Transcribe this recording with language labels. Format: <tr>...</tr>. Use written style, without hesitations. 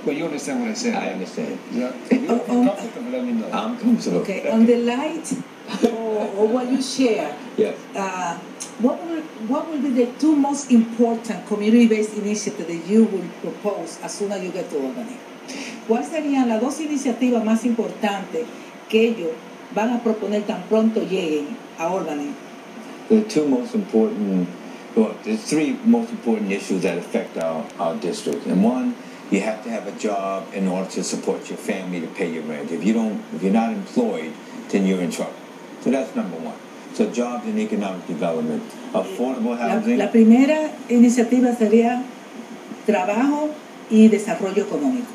<en>But you understand what I said. I understand. Yeah. You're comfortable, let me know. I'm comfortable. Okay, on the light or what you share. Yeah. What will be the two most important community-based initiatives that you will propose as soon as you get to Albany?</en> <es>¿Cuáles serían las dos iniciativas más importantes que ellos van a proponer tan pronto lleguen a Albany?</es> <en>The two most important, well, the three most important issues that affect our district. And one, you have to have a job in order to support your family to pay your rent. If you're not employed, then you're in trouble. So that's number one. So jobs and economic development, affordable housing.</en> <es>La primera iniciativa sería trabajo y desarrollo económico.</es>